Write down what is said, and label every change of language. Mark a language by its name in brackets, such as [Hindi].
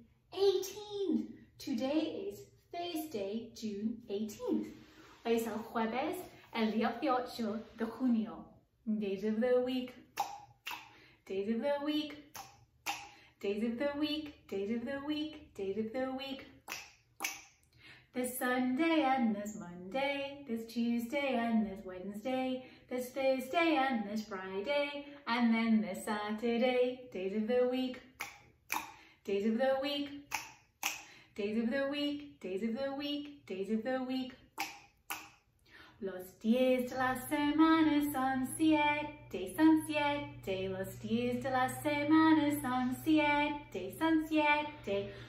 [English] 1, 2, 3, 4, 5, 6, 7, 8, 9, 10, 11, 12, 13, 14, 15, 16, 17, 18. Today is Thursday, June 18th. [Spanish] Hoy es el jueves, el 18 de junio. [English] Days of the week. Days of the week. Days of the week. Days of the week. Days of the week. There's Sunday and there's Monday. There's Tuesday and there's Wednesday. There's Thursday and there's Friday. And then there's Saturday. Days of the week. Days of the week. Days of the week, days of the week, days of the week. [Spanish] Los días de la semana son siete, son siete. Los días de la semana son siete, son siete.